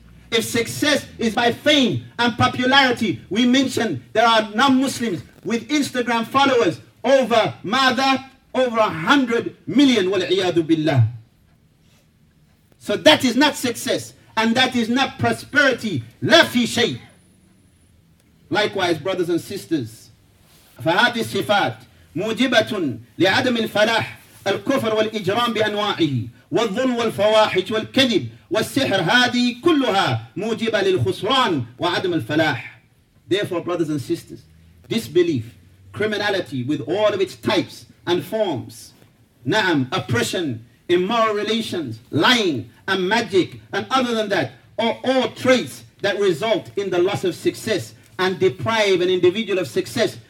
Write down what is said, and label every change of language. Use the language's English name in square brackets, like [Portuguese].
[English] If success is by fame and popularity, we mentioned there are non-Muslims with Instagram followers over mother, over 100 million, [Arabic] wal-iyadu billah. [English] So that is not success, and that is not prosperity. [Arabic] La fi shay. [English] Likewise, brothers and sisters, [Arabic] فهذه الصفات موجبة لعدم الفلاح الكفر والإجرام بأنواعه والظلم والفواحش والكذب والسحر هذه كلها موجبة للخسران وعدم الفلاح. [English] Therefore, brothers and sisters, disbelief, criminality with all of its types and forms, نعم, oppression, immoral relations, lying and magic, and other than that, are all traits that result in the loss of success and deprive an individual of success.